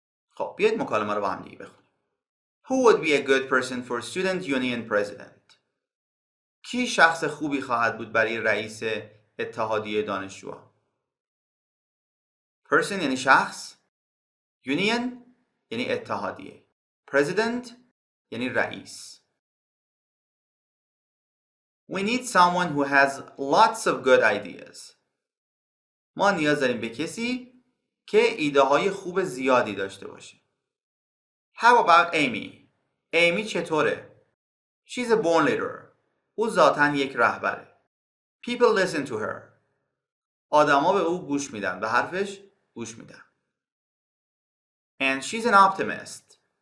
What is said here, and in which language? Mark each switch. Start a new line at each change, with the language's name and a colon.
Persian: خب بیاید مکالمه رو با هم دیگه بخونیم.
English: Who would be a good person for student union president? Q
Persian: کی شخص خوبی خواهد بود برای رئیس اتحادیه دانشجوها؟ Person یعنی شخص، Union یعنی اتحادیه، President یعنی رئیس.
English: We need someone who has lots of good ideas.
Persian: ما نیاز داریم به کسی که ایده های خوب زیادی داشته باشه.
English: How about Amy? Amy
Persian: چطوره؟
English: She's a born leader.
Persian: او ذاتاً یک رهبره.
English: People listen to her.
Persian: آدم ها به او گوش میدن. به حرفش گوش میدن.
English: And she's an optimist.